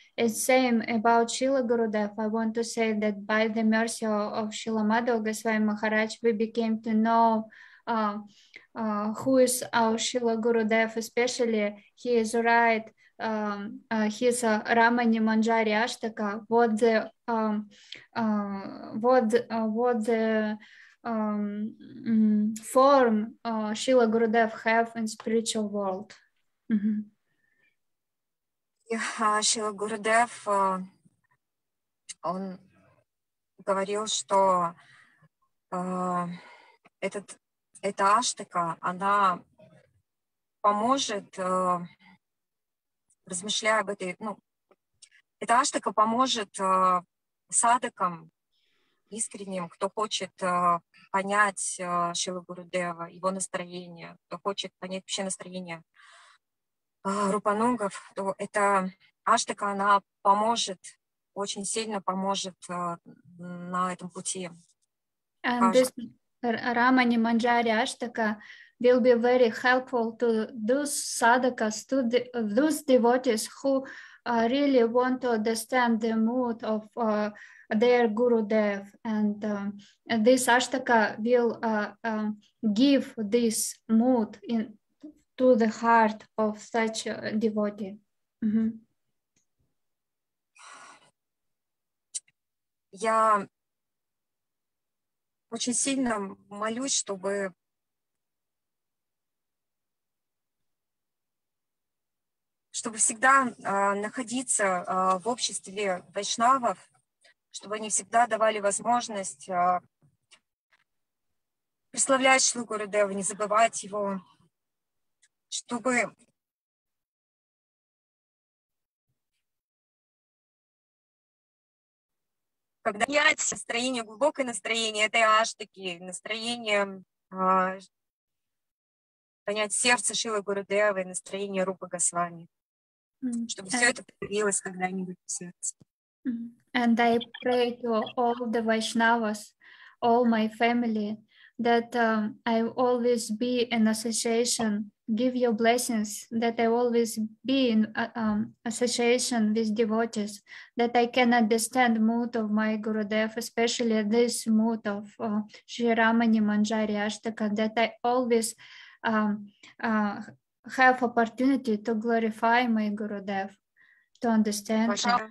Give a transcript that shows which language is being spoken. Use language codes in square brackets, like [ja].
[en] It's same about Srila Gurudev. I want to say that by the mercy of Srila Madhava Goswami Maharaj, we became to know who is our Srila Gurudev, especially he is write his Ramani Manjari Ashtaka, form Srila Gurudev have in spiritual world. [ru] Srila Gurudev, он говорил, что эта аштака, она поможет, размышляя об этой, ну, эта аштака поможет садакам искренним, кто хочет понять Шрилу Гурудева, его настроение, кто хочет понять вообще настроение рупанугов, то эта аштака, она поможет, очень сильно поможет на этом пути. [en] And this Ramani Manjari Ashtaka will be very helpful to those sadhakas, to the, those devotees who really want to understand the mood of their Gurudev, and this Ashtaka will give this mood in to the heart of such a devotee. [ru] Я очень сильно молюсь, чтобы чтобы всегда находиться в обществе вайшнавов, чтобы они всегда давали возможность прославлять Шрилу Гурудеву, не забывать его, чтобы когда менять настроение, глубокое настроение этой аштаки, настроение понять сердце Шрилы Гурудевы, настроение Рупы Госвами, чтобы все это появилось когда-нибудь в сердце. [en] And I pray to all the Vaishnavas, all my family, that I always be in association, give your blessings, that I always be in association with devotees, that I can understand mood of my Gurudev, especially this mood of Sri Ramani Manjari Ashtaka, that I always have opportunity to glorify my Gurudev, to understand.